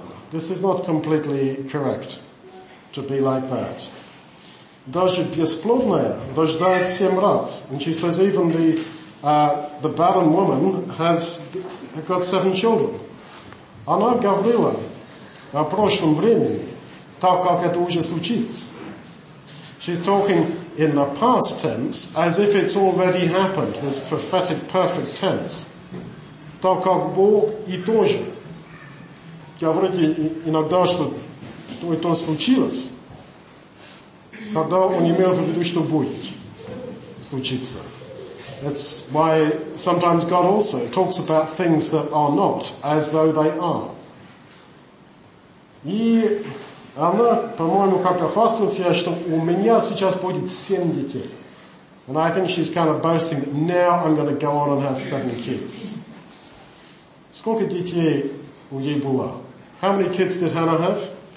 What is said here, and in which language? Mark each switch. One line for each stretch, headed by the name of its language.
English: This is not completely correct to be like that.
Russian: Даже бесплодная рождает семь раз.
English: And she says even the barren woman has got seven children.
Russian: Она говорила о прошлом времени, так как это уже случилось.
English: She's talking in the past tense as if it's already happened, this prophetic perfect tense.
Russian: Так как Бог и тоже. Говорите иногда, что то и то случилось, когда он имел в виду, что будет случиться.
English: That's why sometimes God also talks about things that are not, as though they are.
Russian: И она, по-моему, как-то хвастается, что у меня сейчас будет семь детей.
English: And I think she's kind of boasting that now I'm going to go on and have seven kids.
Russian: Сколько детей у ей было?
English: How many kids did Hannah have?